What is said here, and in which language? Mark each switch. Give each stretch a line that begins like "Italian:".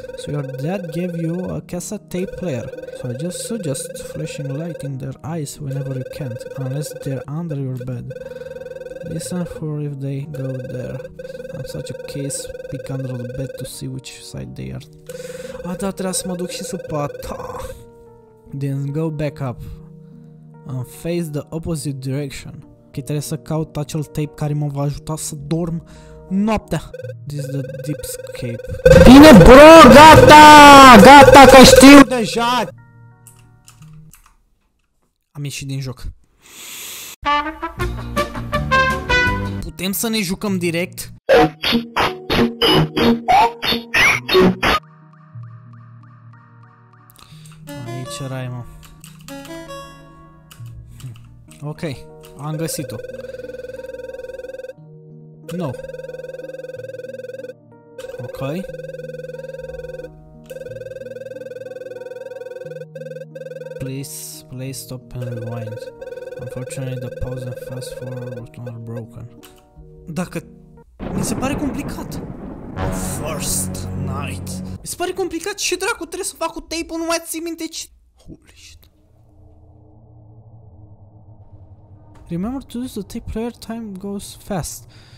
English: So your dad gave you a cassette tape player. So I just suggest flashing light in their eyes whenever you can't, unless they're under your bed. Listen for if they go there. In such a case, peek under the bed to see which side they are.
Romanian: Ah, da, trebuie să mă duc și sub pat.
English: Then go back up. And face the opposite direction.
Romanian: Ok, trebuie să caut acel tape care mă va ajuta să dorm noaptea.
English: This is the deepscape.
Romanian: Bine, bro, gata! Gata că știu deja! Am ieșit din joc. Putem să ne jucăm direct? Aici erai, mă. Ok, am găsit-o.
English: No. Ok. Please stop and rewind. Unfortunately, the pause and fast forward are broken.
Romanian: Dacă... Mi se pare complicat.
English: First night.
Romanian: Mi se pare complicat, ce dracu trebuie să fac cu tape-ul, nu mai ții minte ce...
English: Holy shit. Remember to use the tape player, time goes fast.